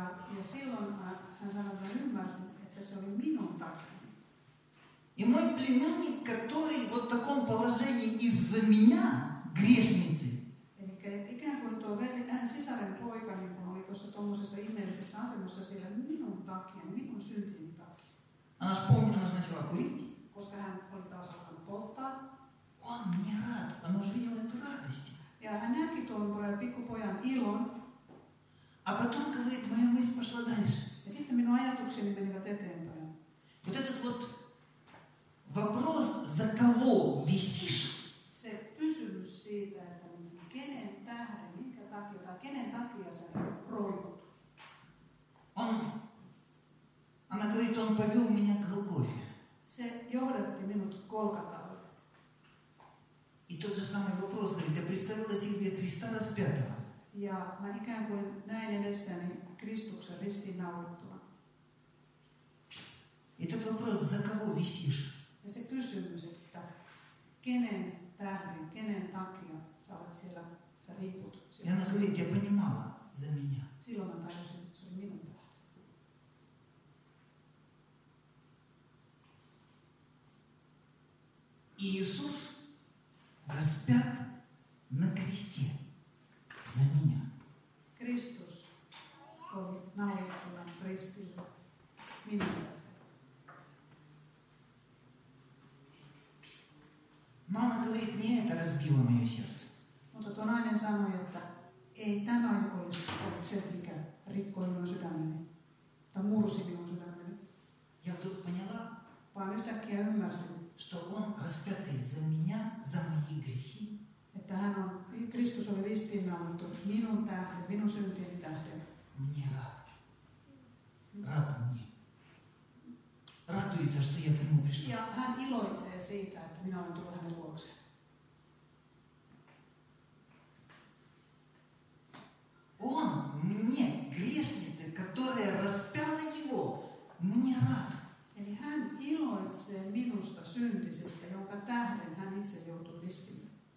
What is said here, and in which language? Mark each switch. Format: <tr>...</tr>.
<fi>Ja silloin hän sanoi, että ymmärsin, että se oli minun takia.</fi> <ru>И мой племянник, который вот в таком положении из-за меня, грешницы.</ru> <fi>Eli ikään kuin tuo veli, tähän sisaren poika, niin kun oli tuossa tuollaisessa ihmeellisessä asennossa siellä minun takia, minun syntieni takia.</fi> <ru>Она вспомнила, начала курить.</ru> <fi>Koska hän oli taas alkanut polttaa.</fi> <ru>Он мама, мне рад, она увидела эту радость.</ru> <fi>Ja hän näki tuon pikkupojan ilon.</fi> <ru>А потом говорит, моя мысль пошла дальше.</ru> <fi>Ja sitten minun ajatukseni menivät eteenpäin.</fi> <ru>Вот этот вот вопрос, за кого висишь?</ru> <fi>Se kysymys siitä, että kenen tähden, minkä takia, tai kenen takia sä roikut?</fi> <ru>Она говорит, он повел меня к Голгофе.</ru> <fi>Se johdatti minut Golgatalle.</fi> <ru>И тот же самый вопрос, говорит, я представила себе Христа распятого.</ru> <fi>Ja mä ikään kuin näin edessäni Kristuksen ristiinnaulittuna.</fi> <ru>Этот вопрос, за кого висишь?</ru> <fi>Ja se kysymys, että kenen tähden, kenen takia sä olet siellä, sä riitut. Ja</fi> <ru>она говорит, я понимала за меня.</ru> <fi>Silloin mä tajusin, se oli minun tähden.</fi> <ru>Иисус распят на кресте за меня. Христос был наложен на крест за меня. Мама говорит, не это разбило мое сердце. Но</ru> <fi>тот нанен sanoi, että ei tämä olisi ollut se, mikä rikkoi minun sydämeni, tai mursi minun sydämeni.</fi> <ru>Я вдруг поняла,</ru> <fi>vaan yhtäkkiä ymmärsin,</fi> <ru>что он распятый за меня, за мои грехи.</ru> <fi>Että hän on, Kristus oli ristiinnaulittu minun tähden, minun syntieni tähden.</fi> <ru>Мне рад. Рад мне. Радуется, что я к нему пришел.</ru> <fi>Ja hän iloitsee siitä, että minä olen tullut hänen luokse.</fi> <ru>Он мне, грешнице, которая распяла его, мне рад.</ru> <fi>Eli hän iloitsee minusta syntisestä, jonka tähden hän itse joutui ristille.</fi>